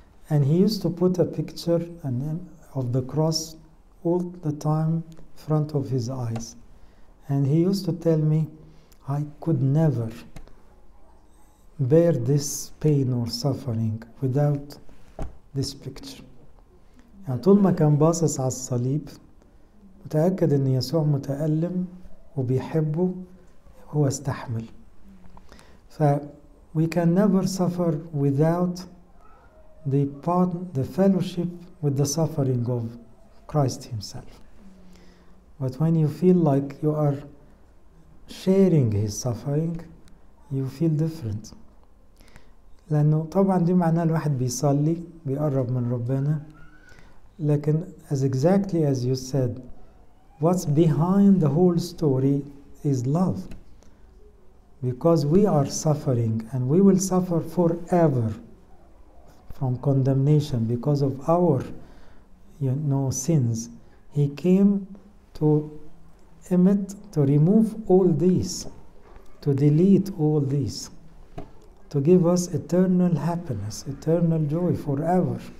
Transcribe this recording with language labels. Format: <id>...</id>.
<en>And he used to put a picture of the cross all the time in front of his eyes. And he used to tell me, I could never bear this pain or suffering without this picture.</en> <ar>يعني طول ما كان باصص على الصليب متأكد ان يسوع متألم وبيحبه هو استحمل.</ar> <en>ف we can never suffer without the part, the fellowship with the suffering of Christ himself. But when you feel like you are sharing his suffering, you feel different.</en> <ar>لأنه طبعا دي معناه الواحد بيصلي بيقرب من ربنا.</ar> <en>لكن as exactly as you said, what's behind the whole story is love. Because we are suffering and we will suffer forever. From condemnation because of our, you know, sins, he came to emit, to remove all these, to delete all these, to give us eternal happiness, eternal joy forever.</en>